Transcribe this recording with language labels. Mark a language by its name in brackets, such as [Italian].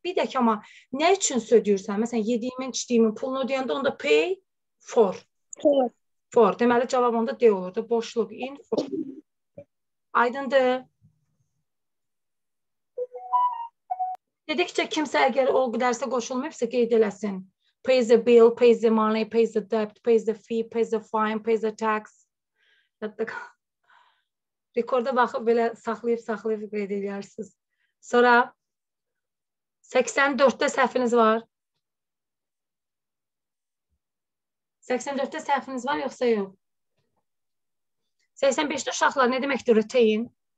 [Azerbaijani] Bir də ki, amma nə üçün ödəyirsən? Məsələn, yediyimin, içdiyimin pulunu ödəyəndə onda pay for. For. Deməli, cavab onda D olurdu. Boşluq in for. Aydındır. Dedikcə, kimsə əgər o qədərsə qoşulmayıbsa, qeyd eləsin. [English] Pay the bill, pay the money, pay the debt, pay the fee, pay the fine, pay the tax. [Azerbaijani] Yaddaq. Rekorda baxıb belə saxlayıb-saxlayıb qeyd edərsiniz. Sonra 84-də səhviniz var. 84-də səhviniz var, yoxsa yox? 85-də uşaqlar nə deməkdir retain?